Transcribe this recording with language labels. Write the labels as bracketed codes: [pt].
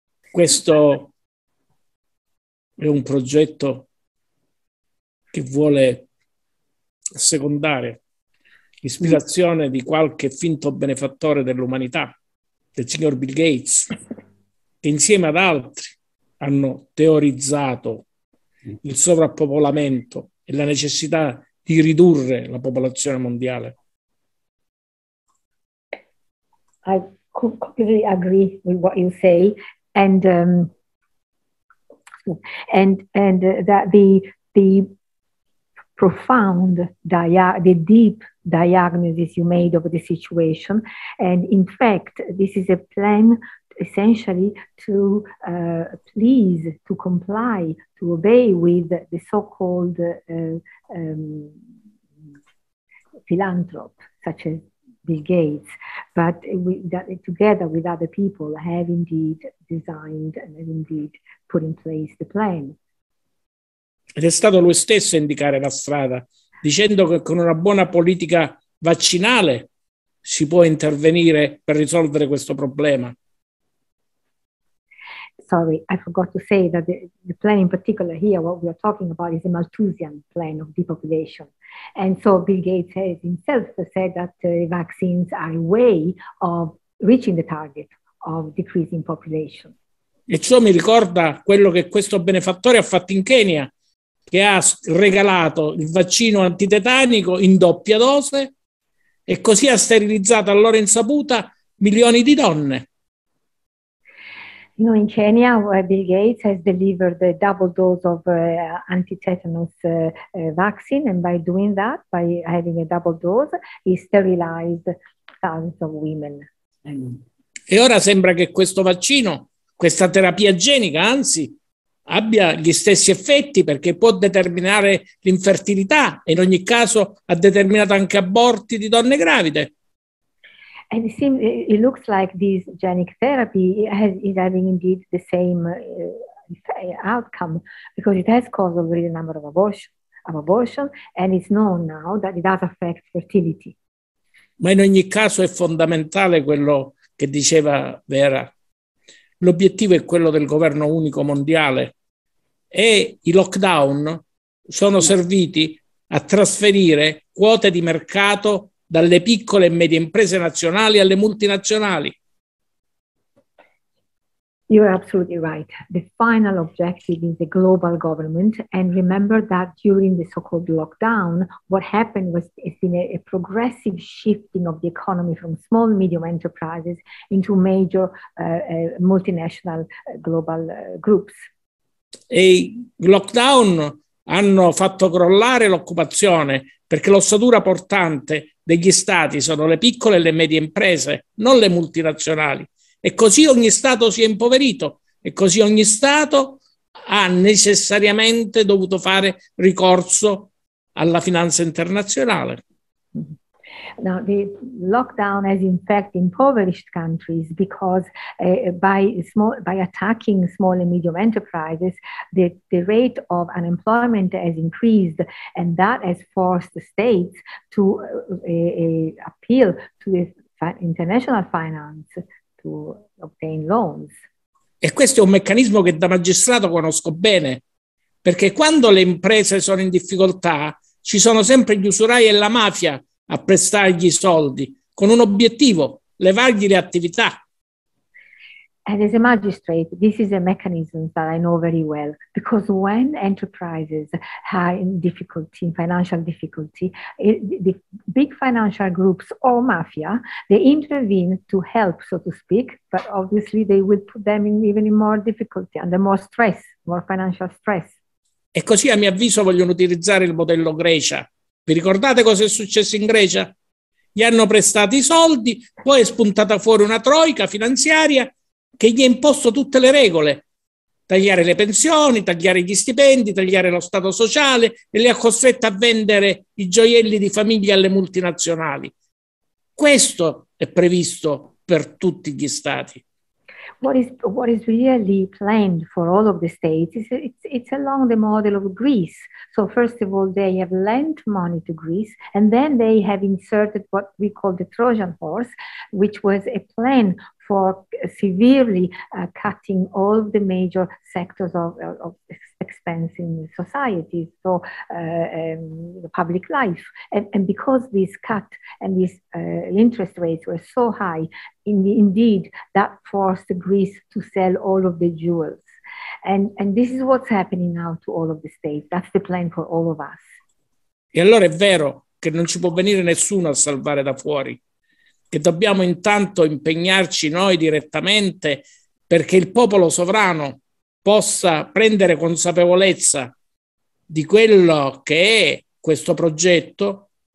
[it] Questo è un progetto che vuole assecondare l'ispirazione di qualche finto benefattore dell'umanità, del signor Bill Gates, che insieme ad altri hanno teorizzato il sovrappopolamento e la necessità di ridurre la popolazione mondiale. [en] I completely agree with what you say, and that the profound, the deep diagnosis you made of the situation. And in fact, this is a plan essentially to please, to comply, to obey with the so-called philanthrop, such as Bill Gates, but together with other people have indeed designed and have indeed put in place the plan. [it] Ed è stato lui stesso a indicare la strada, dicendo che con una buona politica vaccinale si può intervenire per risolvere questo problema. [en] Sorry, I forgot to say that the plan in particular here, what we are talking about, is a Malthusian plan of depopulation. And so Bill Gates has himself said that vaccines are a way of reaching the target of decreasing population. [it] E ciò mi ricorda quello che questo benefattore ha fatto in Kenya, che ha regalato il vaccino antitetanico in doppia dose e così ha sterilizzato a loro insaputa milioni di donne. [en] You know, in Kenya, Bill Gates has delivered a double dose of anti-tetanus vaccine, and by doing that, by having a double dose, he sterilized thousands of women. [it] E ora sembra che questo vaccino, questa terapia genica, anzi, abbia gli stessi effetti perché può determinare l'infertilità e in ogni caso ha determinato anche aborti di donne gravide. [en] And it seems it looks like this genic therapy is having indeed the same outcome because it has caused already a number of abortions, and it's known now that it does affect fertility. [it] Ma in ogni caso è fondamentale quello che diceva Vera. L'obiettivo è quello del governo unico mondiale e i lockdown sono serviti a trasferire quote di mercato dalle piccole e medie imprese nazionali alle multinazionali. [en] You are absolutely right. The final objective is a global government, and remember that during the so-called lockdown, what happened was it's been a progressive shifting of the economy from small and medium enterprises into major multinational global groups. [it] E i lockdown hanno fatto crollare l'occupazione, perché l'ossatura portante degli stati sono le piccole e le medie imprese, non le multinazionali. E così ogni Stato si è impoverito, e così ogni Stato ha necessariamente dovuto fare ricorso alla finanza internazionale. [en] Now, the lockdown has in fact impoverished countries because by attacking small and medium enterprises, the rate of unemployment has increased, and that has forced the states to appeal to the international finance to obtain loans. [it] E questo è un meccanismo che da magistrato conosco bene, perché quando le imprese sono in difficoltà, ci sono sempre gli usurai e la mafia a prestargli i soldi con un obiettivo, levargli le attività. [en] And as a magistrate, this is a mechanism that I know very well, because when enterprises are in difficulty, in financial difficulty, the big financial groups or mafia, they intervene to help, so to speak, but obviously they will put them in even in more difficulty, under more stress, more financial stress. [it] E così, a mio avviso, vogliono utilizzare il modello Grecia. Vi ricordate cosa è successo in Grecia? Gli hanno prestato i soldi, poi è spuntata fuori una troica finanziaria che gli ha imposto tutte le regole. Tagliare le pensioni, tagliare gli stipendi, tagliare lo Stato sociale e li ha costretti a vendere i gioielli di famiglia alle multinazionali. Questo è previsto per tutti gli Stati. [en] What is really planned for all of the states is it's along the model of Greece. So first of all, they have lent money to Greece, and then they have inserted what we call the Trojan horse, which was a plan for severely cutting all the major sectors of expense in society, so the public life. And because this cut and these interest rates were so high, indeed, that forced Greece to sell all of the jewels. And this is what's happening now to all of the states. That's the plan for all of us. [it] E allora è vero che non ci può venire nessuno a salvare da fuori, che dobbiamo intanto impegnarci noi direttamente perché il popolo sovrano possa prendere consapevolezza di quello che è questo progetto